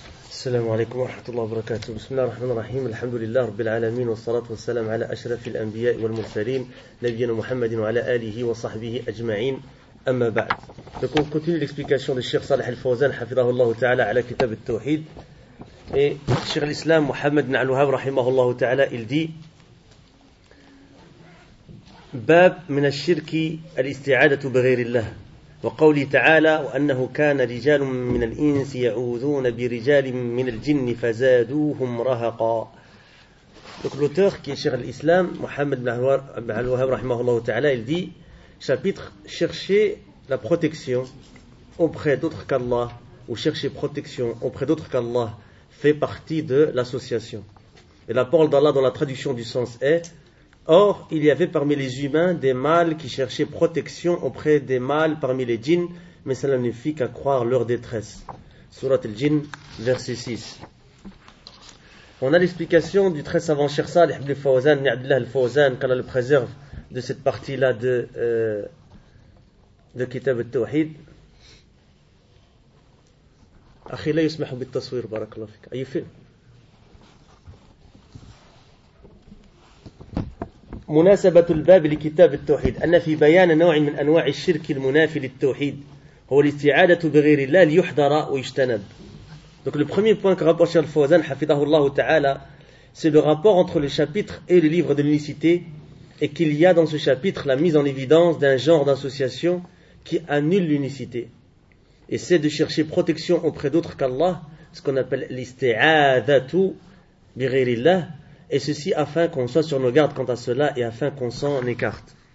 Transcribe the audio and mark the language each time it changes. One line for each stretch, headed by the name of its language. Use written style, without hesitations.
Arabic: السلام عليكم ورحمة الله وبركاته. بسم الله الرحمن الرحيم. الحمد لله رب العالمين، والصلاة والسلام على أشرف الأنبياء والمرسلين نبينا محمد وعلى آله وصحبه أجمعين، أما بعد.
French: Donc, continue l'explication de Cheikh Saleh Al-Fawzan
Arabic: حفظه الله تعالى على كتاب التوحيد.
French: Et Cheikh l'Islam Muhammad بن Al-Wahhab رحمه الله تعالى, il dit:
Arabic: باب من الشرك الاستعادة بغير الله وقوله تعالى وأنه كان رجال من الإنس يعوذون برجال من الجن فزادوهم رهقا.
French: Donc l'auteur qui est Cheikh l'Islam Mohamed bin Al-Wahhab rahimahullah ta'ala, il dit: chapitre, chercher la protection auprès d'autres qu'Allah, ou chercher protection auprès d'autres qu'Allah, fait partie de l'association. Et la parole d'Allah dans la traduction du sens est: or, il y avait parmi les humains des mâles qui cherchaient protection auprès des mâles parmi les djinns, mais cela ne fit qu'accroire leur détresse. Sourate al-Djinn, verset 6. On a l'explication du très savant Cheikh Saleh ibn Fawzan, ni Abdullah al-Fawzan, qu'Allah le préserve, de cette partie-là de Kitab al-Tawhid.
Arabic: Akhi la yusmahu bit-taswir, barakallahu fik.
English: Are you feeling?
Arabic: مناسبة الباب لكتاب التوحيد أن في بيان نوع من أنواع الشرك المنافي للتوحيد هو الاستعادة بغير الله ليحضر ويجتنب.
French: Donc le premier point que rapporte Cheikh Al-Fawzan
Arabic: حفظه الله تعالى,
French: c'est le rapport entre le chapitre et le livre de l'unicité, et qu'il y a dans ce chapitre la mise en évidence d'un genre d'association qui annule l'unicité, et c'est de chercher protection auprès d'autres qu'Allah, ce qu'on appelle l'istiadatu بغير الله, et ceci afin qu'on soit sur nos gardes quant à cela et afin qu'on s'en écarte.